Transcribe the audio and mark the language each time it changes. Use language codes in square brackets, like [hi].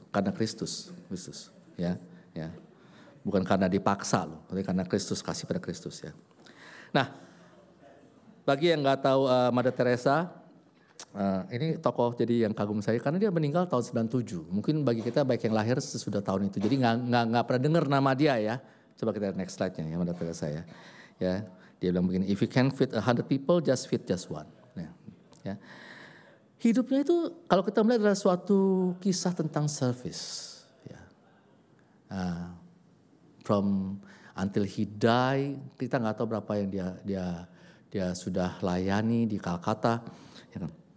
[id] Karena Kristus, Kristus, ya. Ya. Bukan karena dipaksa loh, tapi karena Kristus kasih pada Kristus, ya. Nah, bagi yang gak tahu Mother Teresa, ini tokoh jadi yang kagum saya. Karena dia meninggal tahun 97. Mungkin bagi kita baik yang lahir sesudah tahun itu. Jadi gak pernah dengar nama dia, ya. Coba kita next slide-nya ya, Mother Teresa, ya. Ya. Dia bilang begini, [en] if you can fit 100 people, just fit just one. [id] Ya. Hidupnya itu kalau kita melihat adalah suatu kisah tentang service. Ya. [en] From until he die, [id] kita gak tahu berapa yang dia sudah layani di Kalkata, ya kan?